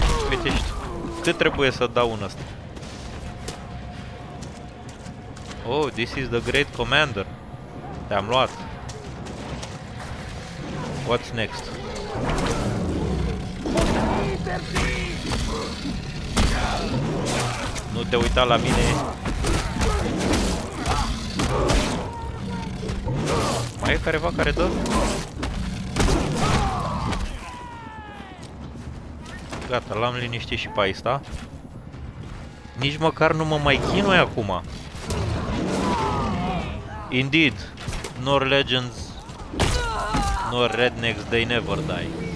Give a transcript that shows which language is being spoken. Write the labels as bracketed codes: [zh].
[ro] Uite și tu, cât trebuie să dau un ăsta? [en] Oh, this is the great commander. [ro] Te-am luat. [en] What's next? [ro] Nu te uita la mine. Mai e careva care dă? Gata, l-am liniștit și pe asta. Nici măcar nu mă mai chinui acum. [en] Indeed, nor legends, nor rednecks, they never die.